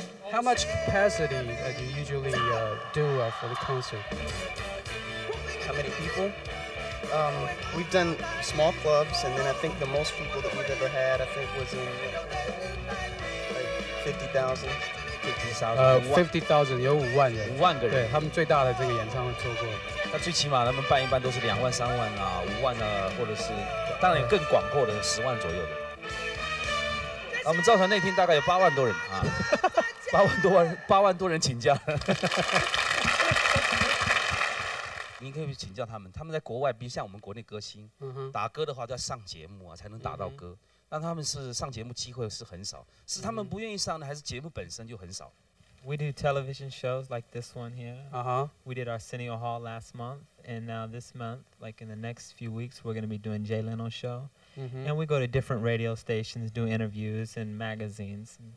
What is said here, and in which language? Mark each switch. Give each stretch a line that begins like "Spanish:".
English: How much capacity do you usually do for the concert? How many people? We've done small clubs, and then I think the most people that we've ever had, I think, was in like 50,000. 50,000,
Chinese: 有5万人。 5万个人。对，他们最大的这个演唱会做过。那最起码他们办一般都是两万、三万啊、五万啊，或者是当然更广阔的10万左右的。我们造船那天大概有8万多人啊。八万多人请假。您可以请教他们，他们在国外，比如像我们国内歌星，打歌的话都要上节目啊，才能打到歌。那他们是上节目机会是很少，是他们不愿意上呢，还是节目本身就很少
English: ？We do television shows like this one here. We did Arsenio Hall last month, and now this month, like in the next few weeks, we're going to be doing Jay Leno's show. And we go to different radio stations, do interviews and magazines.